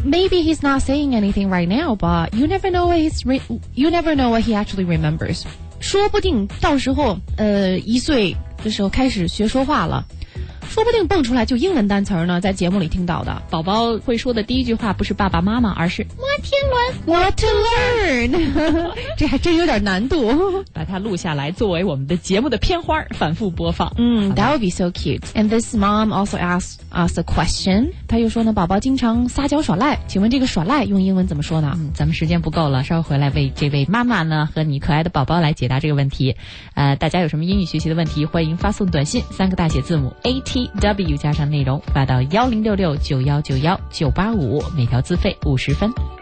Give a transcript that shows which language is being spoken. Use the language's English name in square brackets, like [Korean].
[English] Maybe he's not saying anything right now but you never know what he's you never know what he actually remembers [Chinese] 说不定到时候一岁的时候开始学说话了说不定蹦出来就英文单词呢，在节目里听到的。宝宝会说的第一句话不是爸爸妈妈，而是摩天轮 [English] What to learn [Chinese] 这还真有点难度。把它录下来作为我们的节目的片花反复播放。 [English] 嗯， That would be so cute. And this mom also asked us a question. [Chinese] 她又说呢，宝宝经常撒娇耍赖，请问这个耍赖用英文怎么说呢？嗯，咱们时间不够了，稍微回来为这位妈妈呢和你可爱的宝宝来解答这个问题。大家有什么英语学习的问题，欢迎发送短信三个大写字母 ATW 加上内容发到10669191985，每条资费50分。